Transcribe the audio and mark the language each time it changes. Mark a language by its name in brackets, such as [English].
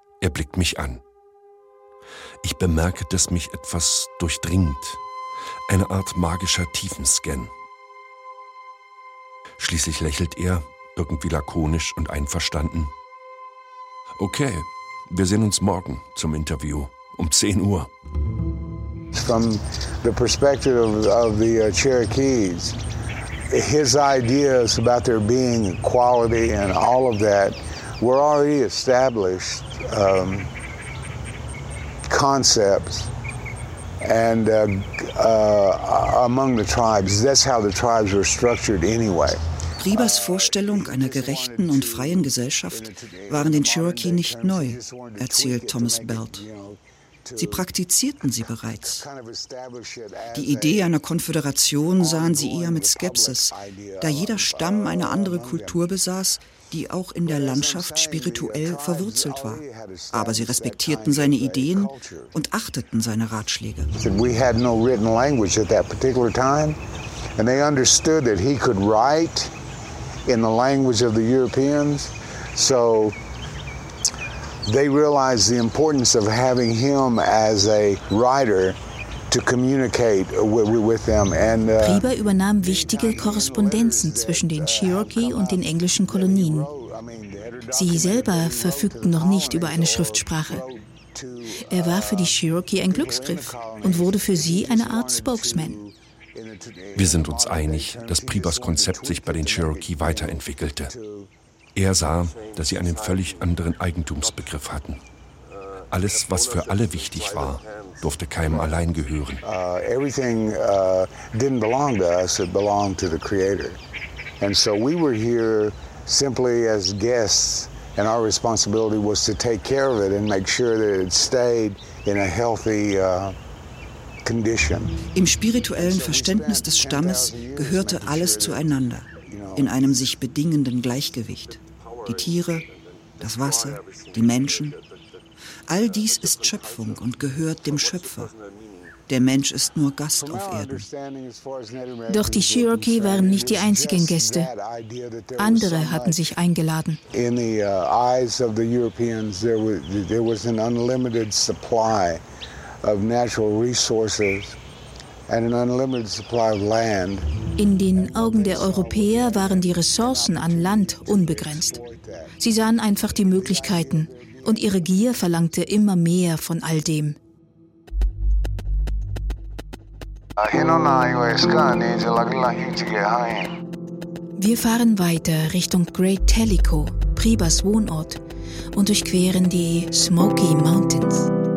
[German] Er blickt mich an. Ich bemerke, dass mich etwas durchdringt. Eine Art magischer Tiefenscan. Schließlich lächelt er, irgendwie lakonisch und einverstanden. Okay, wir sehen uns morgen zum Interview um 10 Uhr. [English] From the perspective of the Cherokees, his ideas about there being equality and all of that were already established concepts and among the tribes. That's how the tribes were structured anyway. [German] Priebers Vorstellung einer gerechten und freien Gesellschaft waren den Cherokee nicht neu, erzählt Thomas Belt. Sie praktizierten sie bereits. Die Idee einer Konföderation sahen sie eher mit Skepsis, da jeder Stamm eine andere Kultur besaß, die auch in der Landschaft spirituell verwurzelt war. Aber sie respektierten seine Ideen und achteten seine Ratschläge. [English] We had no written language at that particular time, and they understood that he could write in the language of the Europeans. So they realized the importance of having him as a writer to communicate with them. And [German] Priber übernahm wichtige Korrespondenzen zwischen den Cherokee und den englischen Kolonien. Sie selber verfügten noch nicht über eine Schriftsprache. Er war für die Cherokee ein Glücksgriff und wurde für sie eine Art Spokesman. Wir sind uns einig, dass Priebers Konzept sich bei den Cherokee weiterentwickelte. Er sah, dass sie einen völlig anderen Eigentumsbegriff hatten. Alles, was für alle wichtig war, durfte keinem allein gehören. [English] Everything didn't belong to us, it belonged to the Creator. And so we were here simply as guests, and our responsibility was to take care of it and make sure that it stayed in a healthy condition. [German] Im spirituellen Verständnis des Stammes gehörte alles zueinander, in einem sich bedingenden Gleichgewicht. Die Tiere, das Wasser, die Menschen. All dies ist Schöpfung und gehört dem Schöpfer. Der Mensch ist nur Gast auf Erden. Doch die Cherokee waren nicht die einzigen Gäste. Andere hatten sich eingeladen. [English] In the eyes of the Europeans, there was an unlimited supply of natural resources and an unlimited supply of land. [German] In den Augen der Europäer waren die Ressourcen an Land unbegrenzt. Sie sahen einfach die Möglichkeiten. Und ihre Gier verlangte immer mehr von all dem. Wir fahren weiter Richtung Great Tellico, Pribas Wohnort, und durchqueren die Smoky Mountains.